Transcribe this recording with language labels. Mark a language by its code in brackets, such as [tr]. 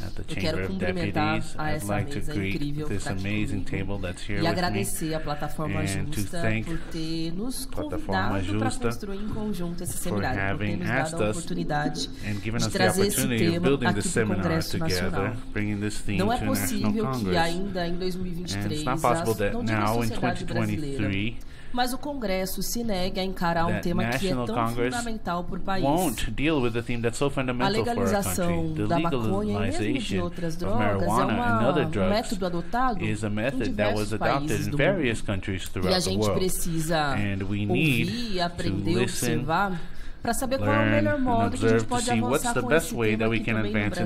[pt] Eu quero cumprimentar a essa mesa incrível que está aqui comigo e agradecer à Plataforma Justa por ter nos convidado para construir em conjunto esse seminário, por ter nos dado a oportunidade de trazer esse tema aqui para o Congresso Nacional. Não é possível que ainda em 2023 não diga a sociedade brasileira, mas o Congresso se nega a encarar um tema que é tão fundamental para o país. [en] Won't deal with the theme that's so fundamental for our country. [pt] A legalização da maconha e mesmo de outras drogas é um método adotado em diversos países do mundo. E a gente precisa ouvir, aprender, observar para saber qual é o melhor modo que a gente pode avançar com esse tema aqui também no Brasil.